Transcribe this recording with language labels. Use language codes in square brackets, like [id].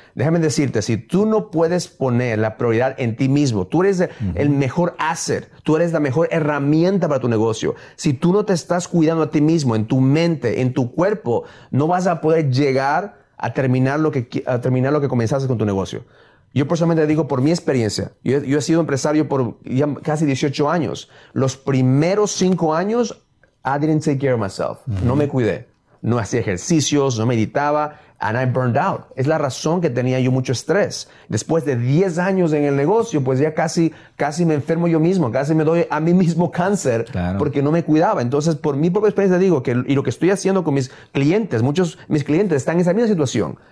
[es] Déjame decirte, si tú no puedes poner la prioridad en ti mismo, tú eres el mejor asset, tú eres la mejor herramienta para tu negocio. Si tú no te estás cuidando a ti mismo, en tu mente, en tu cuerpo, no vas a poder llegar a terminar lo que comenzaste con tu negocio. Yo personalmente digo por mi experiencia. Yo he sido empresario por ya casi 18 años. Los primeros 5 años, [en] I didn't take care of myself. [es] No me cuidé. No hacía ejercicios, no meditaba. [en] And I burned out. [es] Es la razón que tenía yo mucho estrés. Después de 10 años en el negocio, pues ya casi me enfermo yo mismo. Casi me doy a mí mismo cáncer porque no me cuidaba. Entonces, por mi propia experiencia digo que, y lo que estoy haciendo con mis clientes, muchos de mis clientes están en esa misma situación.